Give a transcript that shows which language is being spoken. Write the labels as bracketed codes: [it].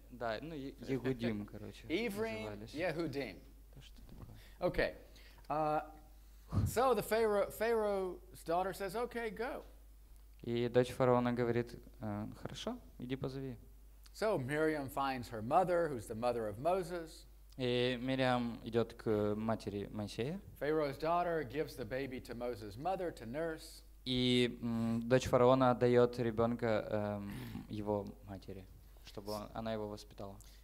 [ru] Да, ну Ehudim, короче, назывались. [en] Ehudim. Okay. So the Pharaoh's daughter says, "Okay, go." [ru] И дочь фараона говорит, хорошо, иди позови. [en] So Miriam finds her mother, who's the mother of Moses. [ru] И Мириам идет к матери Моисея. [en] Pharaoh's daughter gives the baby to Moses' mother to nurse. [ru] И дочь фараона отдает ребенка его матери, чтобы она его воспитала.